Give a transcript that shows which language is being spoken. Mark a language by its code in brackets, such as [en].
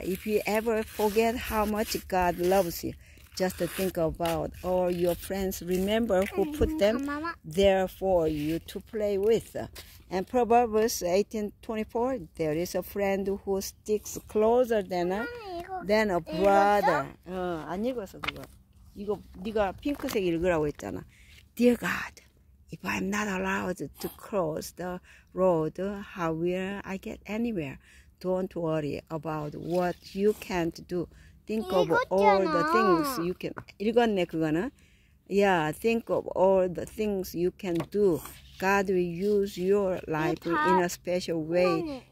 [en] If you ever forget how much God loves you, just think about all your friends. Remember who put them there for you to play with. And Proverbs 18:24, there is a friend who sticks closer than a brother. [ko] 안 읽었어, 그거. 이거 네가 핑크색 읽으라고 했잖아. [en] Dear God, if I'm not allowed to cross the road, how will I get anywhere? Don't worry about what you can't do. Think of all the things you can. [ko] 읽었네, 그거는. [en] Yeah, think of all the things you can do. God will use your life in a special way.